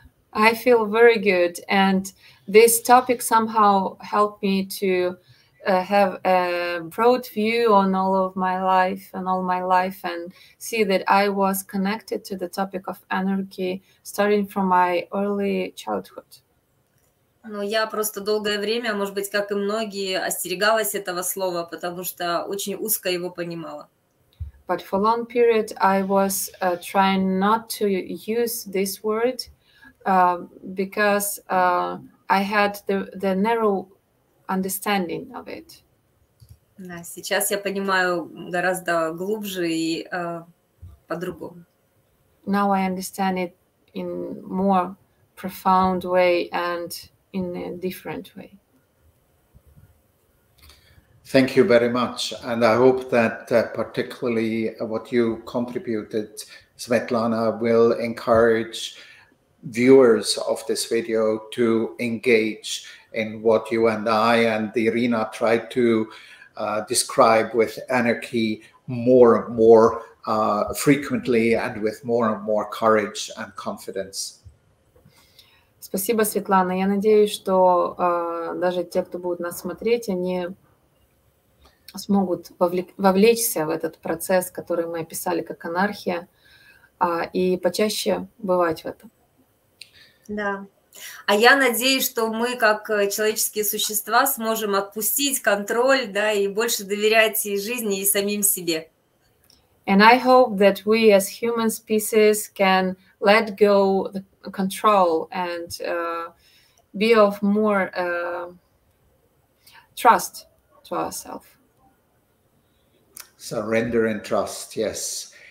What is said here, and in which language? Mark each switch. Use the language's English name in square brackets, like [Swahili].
[English] I feel very good, and this topic somehow helped me to have a broad view on all of my life and all my life, and see that I was connected to the topic of anarchy starting from my early childhood. [Russian] Ну, я просто долгое время, может быть, как и многие, остерегалась этого слова, потому что очень узко его понимала. [English] But for a long period, I was trying not to use this word, because I had the narrow understanding of it. [Russian] Да, сейчас я понимаю гораздо глубже и по-другому. [English] Now I understand it in more profound way and in a different way. Thank you very much. And I hope that particularly what you contributed, Svetlana, will encourage viewers of this video to engage in what you and I and Iryna tried to describe with anarchy more and more frequently and with more and more courage and confidence. [Russian] Спасибо, Светлана. Я надеюсь, что даже те, кто будут нас смотреть, они смогут вовлечься в этот процесс, который мы описали как анархия, и почаще бывать в этом. Да. А я надеюсь, что мы, как человеческие существа, сможем отпустить контроль, да, и больше доверять и жизни, и самим себе. [English] And I hope that we as human species can let go the control and be of more trust to ourselves. Surrender and trust, yes.